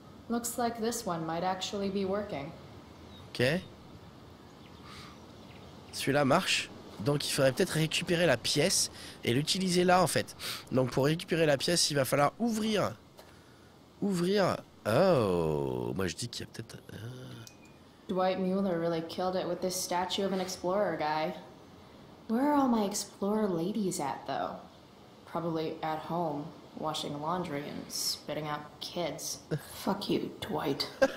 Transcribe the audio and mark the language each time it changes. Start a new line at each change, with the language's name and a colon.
English: Looks like this one might actually be working. Ok.
French: Celui-là marche. Donc il faudrait peut-être récupérer la pièce et l'utiliser là en fait. Donc pour récupérer la pièce, il va falloir ouvrir. Ouvrir. Oh, moi je dis qu'il y a peut-être.
English: Dwight Mueller really killed it with this statue of an explorer guy. Where are all my explorer ladies at though? Probably at home. Washing laundry and spitting out kids. Fuck you, Dwight.